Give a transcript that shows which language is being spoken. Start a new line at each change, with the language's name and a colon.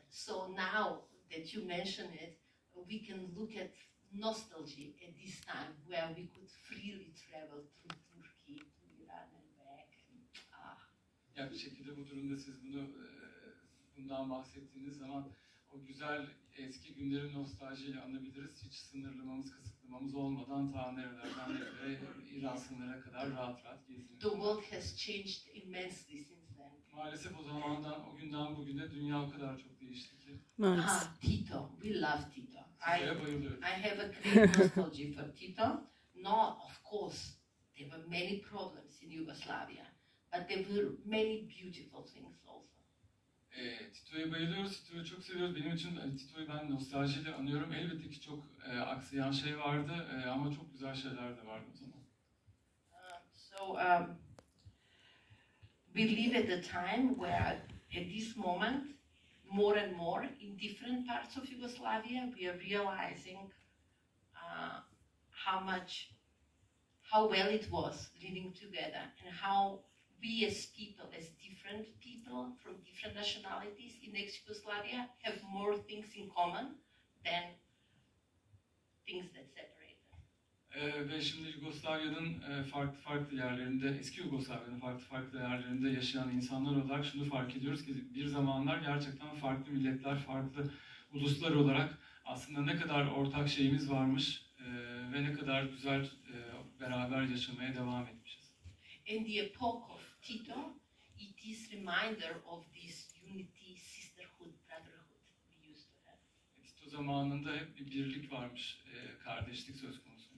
English: So now that you mention it, we can look at nostalgia at this time where we could freely travel to Turkey, to Iran and back.
Turkish: Yani bir şekilde bu durumda siz bundan bahsettiğiniz zaman o güzel eski günlerin nostaljiyle anabiliriz. Hiç sınırlamamız, kısıtlamamız olmadan ta nerelerden nerelere İran sınırına kadar rahat rahat gezdiniz.
English: The world has changed immensely since then.
Turkish: Maalesef o zamandan, o günden bugüne dünya o kadar çok değişti ki. Maalesef.
English: Tito, we love Tito. I have a great nostalgia for Tito. No, of course, there were many problems in Yugoslavia, but there were many beautiful things also.
Turkish: Tito'ya bayılıyoruz, Tito'yu çok seviyoruz. Benim için Tito'yu ben nostaljiyle anıyorum. Elbette ki çok aksayan şey vardı ama çok güzel şeyler de vardı o zaman.
English: We live at a time where, at this moment, more and more, in different parts of Yugoslavia, we are realizing how much, how well it was living together, and how we as people, as different people from different nationalities in ex-Yugoslavia, have more things in common than things that separate.
Turkish: Ve şimdi Yugoslavya'nın farklı farklı yerlerinde, eski Yugoslavya'nın farklı farklı yerlerinde yaşayan insanlar olarak şunu fark ediyoruz ki bir zamanlar gerçekten farklı milletler, farklı uluslar olarak aslında ne kadar ortak şeyimiz varmış ve ne kadar güzel beraber yaşamaya devam etmişiz.
English: In the epoch of Tito, it is reminder of this unity, sisterhood, brotherhood we used to have.
Turkish: Tito zamanında hep bir birlik varmış, kardeşlik söz konusu.